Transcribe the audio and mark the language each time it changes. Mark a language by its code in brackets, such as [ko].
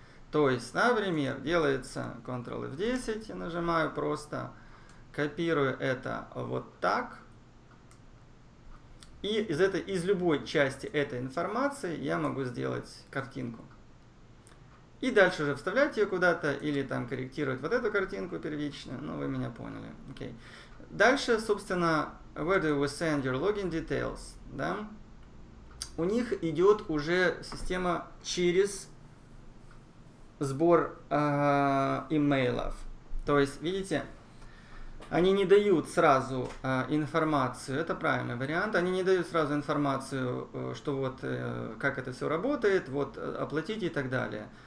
[ru] То есть, например, делается Ctrl F10, нажимаю просто, копирую это вот так. И из любой части этой информации я могу сделать картинку. И дальше уже вставлять ее куда-то или там корректировать вот эту картинку первичную. Ну, вы меня поняли. Окей. Дальше, собственно, [en] where do we send your login details? [ru] Да? У них идет уже система через сбор имейлов. То есть, видите, они не дают сразу информацию. Это правильный вариант. Они не дают сразу информацию, что вот как это все работает, вот оплатить и так далее.